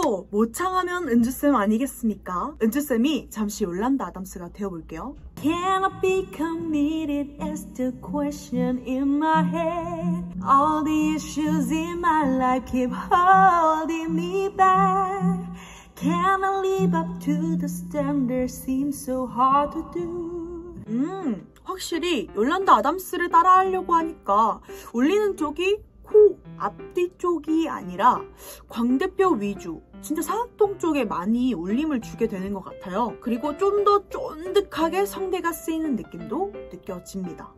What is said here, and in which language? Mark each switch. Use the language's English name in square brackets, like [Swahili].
[Korean] 모창하면 은주쌤 아니겠습니까? 은주쌤이 잠시 올란다 아담스가 되어볼게요. [English] Can I be committed is the question in my head. All the issues in my life keep holding me back. Can I live up to the standard seems so hard to do. [Korean] 확실히 올란다 아담스를 따라하려고 하니까 울리는 쪽이 코 앞뒤쪽이 아니라 광대뼈 위주, 진짜 상악동 쪽에 많이 울림을 주게 되는 것 같아요. 그리고 좀 더 쫀득하게 성대가 쓰이는 느낌도 느껴집니다.